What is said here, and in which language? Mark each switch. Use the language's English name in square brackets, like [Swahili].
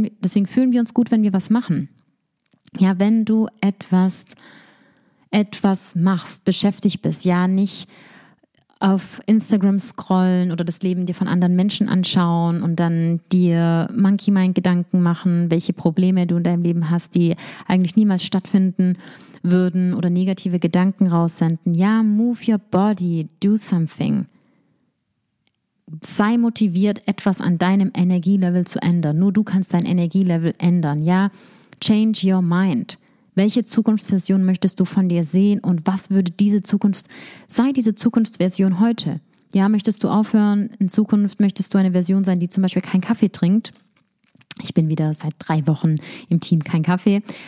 [German] Deswegen fühlen wir uns gut, wenn wir was machen. Ja, wenn du etwas machst, beschäftigt bist, ja, nicht auf Instagram scrollen oder das Leben dir von anderen Menschen anschauen und dann dir Monkey Mind Gedanken machen, welche Probleme du in deinem Leben hast, die eigentlich niemals stattfinden würden oder negative Gedanken raussenden. [English] Ja, move your body, do something. [German] Sei motiviert, etwas an deinem Energielevel zu ändern. Nur du kannst dein Energielevel ändern, ja. [English] Change your mind. [German] Welche Zukunftsversion möchtest du von dir sehen und was würde diese Zukunftsversion heute? Ja, möchtest du aufhören? In Zukunft möchtest du eine Version sein, die zum Beispiel keinen Kaffee trinkt? Ich bin wieder seit 3 Wochen im Team kein Kaffee.